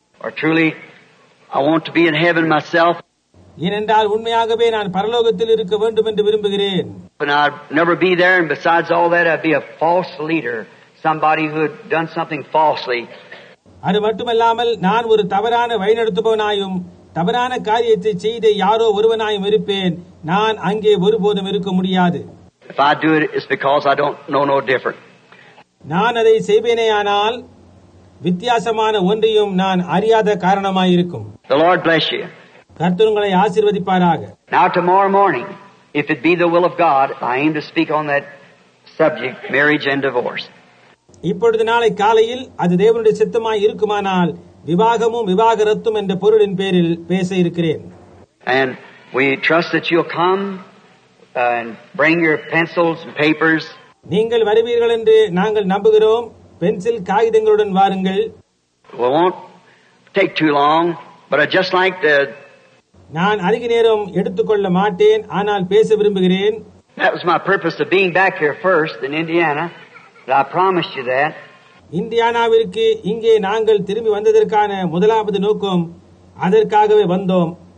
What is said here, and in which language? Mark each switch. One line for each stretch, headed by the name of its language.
English: Or truly, I want to be in heaven myself.
Tamil: ஏனென்றால் உண்மையாகவே நான் பரலோகத்தில் இருக்க வேண்டும் என்று விரும்புகிறேன்.
English: But I'd never be there, and besides all that, I'd be a false leader, somebody who had done something falsely.
Tamil: அது மட்டுமல்லாமல் நான் ஒரு தவறான வழிநடத்துபவனாயும் தவறான காரியத்தை செய்த யாரோ ஒருவனாயும் இருப்பேன். நான் அங்கே ஒருபோதும் இருக்க முடியாது.
English: If I do it, it's because I don't know no different.
Tamil: நான் அதை செய்வேனேயானால் வித்தியாசமான ஒன்றையும் நான் அறியாத காரணமாயிருக்கும்.
English: The Lord bless you.
Tamil: கர்த்தருங்களை ஆசீர்வதிப்பாராக.
English: Now tomorrow morning, if it be the will of God, I aim to speak on that subject, marriage and divorce.
Tamil: இப்பொழுது நாளை காலையில் அது தேவனுடைய சித்தமாய் இருக்குமானால் விவாகமும் விவாக ரத்தும் என்ற பொருளின் பேரில் பேச இருக்கிறேன்.
English: And we trust that you'll come and bring your pencils and papers.
Tamil: நீங்கள் வருவீர்கள் என்று நாங்கள் நம்புகிறோம். பென்சில் காகிதங்களுடன் வாருங்கள்.
English: We won't take too long, but I just like to
Tamil: நான் அதிக நேரம் எடுத்துக்கொள்ள மாட்டேன், ஆனால் பேச விரும்புகிறேன்.
English: That was my purpose of being back here first in Indiana. I promised you that.
Tamil: இந்தியானாவிற்கு இங்கே நாங்கள் திரும்பி வந்ததற்கான முதலாவது நோக்கம் அதற்காகவே வந்தோம்.